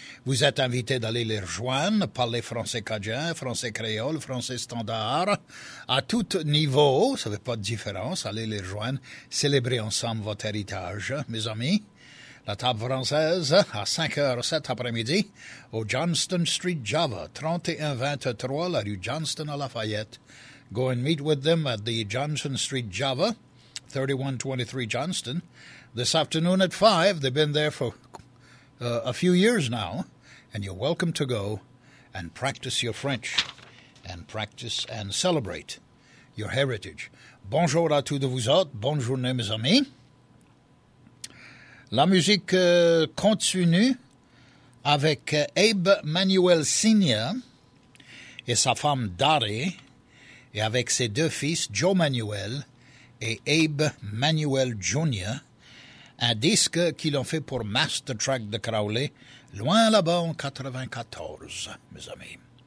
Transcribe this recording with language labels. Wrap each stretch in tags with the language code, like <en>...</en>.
<fr>Vous êtes invité d'aller les rejoindre, parler français cajun, français créole, français standard, à tout niveau, ça fait pas de différence, allez les rejoindre, célébrer ensemble votre héritage, mes amis. La table française, à 5h cet après-midi, au Johnston Street, Java, 3123 la rue Johnston à Lafayette.</fr> <en>Go and meet with them at the Johnston Street, Java. 3123 Johnston, this afternoon at 5, they've been there for a few years now, and you're welcome to go and practice your French, and practice and celebrate your heritage.</en> <fr>Bonjour à tous de vous autres, bonne journée mes amis. La musique continue avec Abe Manuel Sr. et sa femme Dari, et avec ses deux fils, Joe Manuel et Abe Manuel Jr., un disque qu'ils ont fait pour Master Track de Crowley, loin là-bas en 94, mes amis.</fr>